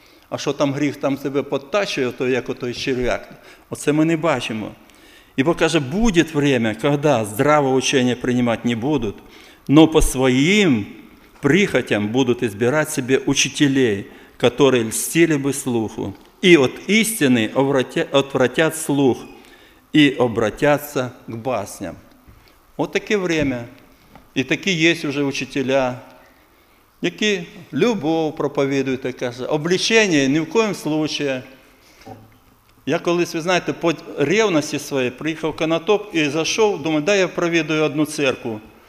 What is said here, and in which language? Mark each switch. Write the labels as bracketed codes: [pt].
[uk] А що там гріх там себе підтачує, то як отой черв'як. Оце ми не бачимо. І покаже, буде время, коли здраве учення приймати не будуть, но по своїм прихотям будуть збирати собі учителей, які льстили би слуху. [ru] И от истины отвратят слух и обратятся к басням. Вот таке время. [uk] И такі є уже учителя, які любов проповідують, каже, обличення ні в коєму случае. Я колись, ви знаєте, по ревності своєї приїхав в Конотоп і зайшов, думаю, дай я провідую одну церкву.